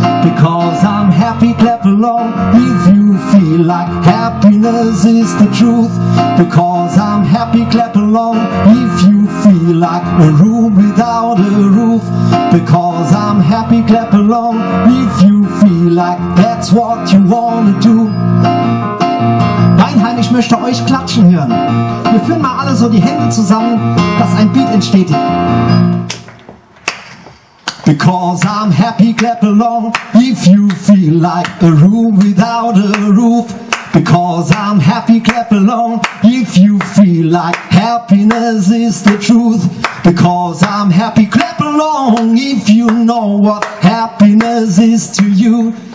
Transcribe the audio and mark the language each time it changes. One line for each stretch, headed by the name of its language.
English: Because I'm happy, clap along if you feel like happiness is the truth. Because I'm happy, clap along if you feel like a room without a roof. Because I'm happy, clap along if you feel like that's what you wanna do.
German: Weinheim, ich möchte euch klatschen hören. Wir führen mal alle so die Hände zusammen, dass ein Beat entsteht.
English: Because I'm happy, clap along if you feel like a room without a roof. Because I'm happy, clap along if you feel like happiness is the truth. Because I'm happy, clap along if you know what happiness is to you.